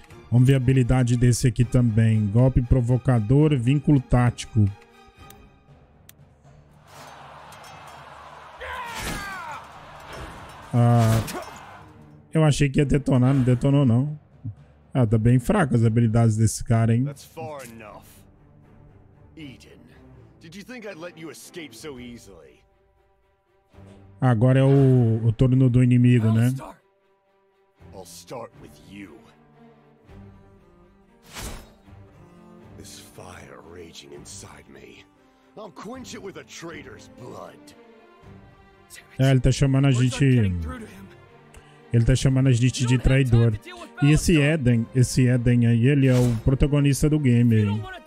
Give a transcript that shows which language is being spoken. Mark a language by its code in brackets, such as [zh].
[pt] Vamos ver a habilidade desse aqui também. Golpe provocador, vínculo tático. Eu achei que ia detonar, não detonou não. Ah, tá bem fraco as habilidades desse cara, hein? That's far enough. [en] Eden, did you think I'd let you escape so easily? [pt] Agora é o turno do inimigo, né? [en] I'll start with you. This fire raging inside me. I'll quench it with a traitor's blood. [pt] É, ele tá chamando a gente. Ele tá chamando a gente de traidor. E esse Eden aí, ele é o protagonista do game.